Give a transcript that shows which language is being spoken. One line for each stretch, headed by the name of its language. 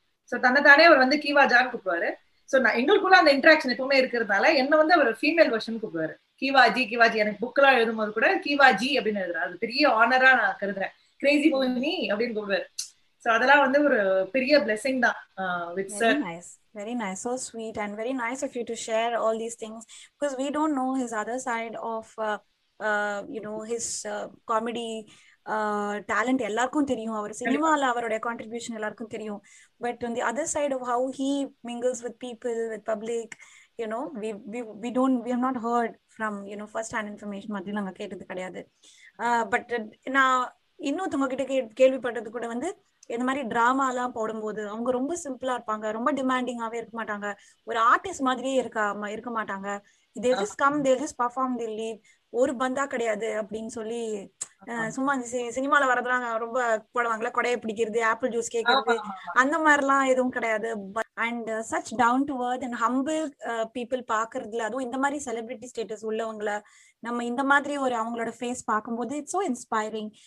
Tamil: So தன்னை தானே அவர் வந்து கீவாஜான்னு கூப்பிடுவாரு. ஸோ நான் எங்களுக்குள்ள அந்த இன்ட்ராக்ஷன் எப்பவுமே இருக்கிறதுனால என்ன வந்து அவர் ஃபீமேல் வெர்ஷன் கூப்பிடுவாரு, கீவாஜி கீவாஜி. எனக்கு புக்கெல்லாம் எழுதும் போது கூட கீவாஜி அப்படின்னு எழுதுறாரு, அது பெரிய ஆனரா நான் கருதுறேன், கிரேசி மோகினி அப்படின்னு கூப்பிடுவாரு. ஸோ அதெல்லாம் வந்து ஒரு பெரிய பிளெஸிங் தான் with sir.
English: Very nice, so sweet and very nice of you to share all these things because we don't know his other side of you know his comedy talent.
Tamil: எல்லாருக்கும் தெரியும் அவர் சினிமால அவருடைய contribution எல்லாருக்கும் தெரியும்,
English: but on the other side of how he mingles with people with public, you know we don't we have not heard from you know first hand information
Tamil: மாதிரி நாங்கள் கேட்டது கிடையாது. பட் நான் இன்னொருத்தவங்க கிட்ட கேள்விப்பட்டது கூட வந்து இந்த மாதிரி ட்ராமாலாம் போடும்போது அவங்க ரொம்ப சிம்பிளா இருப்பாங்க, ரொம்ப டிமாண்டிங்காகவே இருக்க மாட்டாங்க, ஒரு ஆர்டிஸ்ட் மாதிரியே இருக்க மாட்டாங்க.
English: They just come, they just perform, they leave.
Tamil: ஒரு பந்தா கிடையாது அப்படின்னு சொல்லி சும்மா சினிமால வரதுலாம் ரொம்ப போடுவாங்களா, கொடையை பிடிக்கிறது, ஆப்பிள் ஜூஸ் கேட்கறது, அந்த மாதிரி எல்லாம் எதுவும் கிடையாது.
English: and such down to earth and humble people
Tamil: பாக்குறதுல, அதுவும் இந்த மாதிரி செலிபிரிட்டி ஸ்டேட்டஸ் உள்ளவங்களை நம்ம இந்த மாதிரி ஒரு அவங்களோட ஃபேஸ் பார்க்கும்போது
English: It's so inspiring.